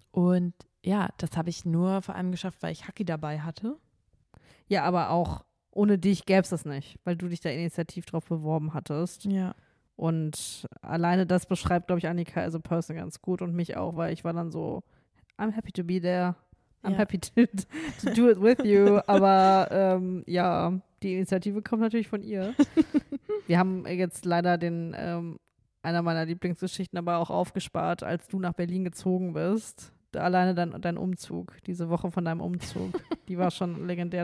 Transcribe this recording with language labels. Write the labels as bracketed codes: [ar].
[de] Und ja, das habe ich nur vor allem geschafft, weil ich Hacki dabei hatte. Ja, aber auch ohne dich gäbe es das nicht, weil du dich da initiativ drauf beworben hattest. Ja. Und alleine das beschreibt, glaube ich, Annika [en] as a person [de] ganz gut und mich auch, weil ich war dann so, [en] I'm happy to be there. I'm happy to do it with you. [de] Aber ja, die Initiative kommt natürlich von ihr. Wir haben jetzt leider den einer meiner Lieblingsgeschichten, aber auch aufgespart, als du nach Berlin gezogen bist. Alleine dein Umzug, diese Woche von deinem Umzug, die war schon legendär.